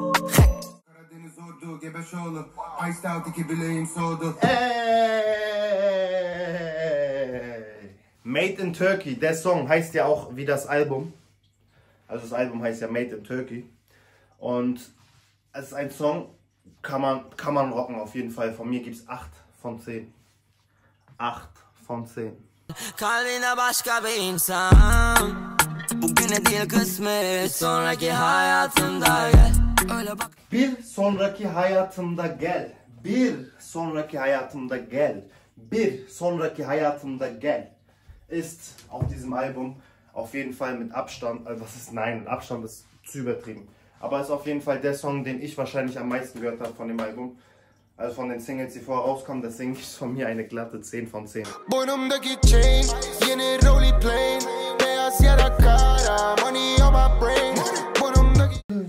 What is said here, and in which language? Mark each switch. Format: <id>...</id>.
<de>Hey. Made in Turkey, der Song heißt ja auch wie das Album. Also das Album heißt ja Made in Turkey. Und es ist ein Song, kann man rocken auf jeden Fall. Von mir gibt es 8 von 10. 8 von 10.</de> <tr>Kalbine başka bir insan. Bugüne değil kısmet. Sonraki hayatında gel. Bir sonraki hayatımda gel. Bir sonraki hayatımda gel. Bir sonraki hayatımda gel.</tr> <de>Ist auf diesem Album auf jeden Fall mit Abstand. Also was ist, nein, Abstand ist zu übertrieben. Aber ist auf jeden Fall der Song, den ich wahrscheinlich am meisten gehört habe von dem Album. Also von den Singles, die vorher rauskommen. Deswegen ist von mir eine glatte 10 von 10.</de> <tr>Boynumdaki chain, yeni roly plane. Beyaz yara kara,</tr> <en>money on my brain.</en>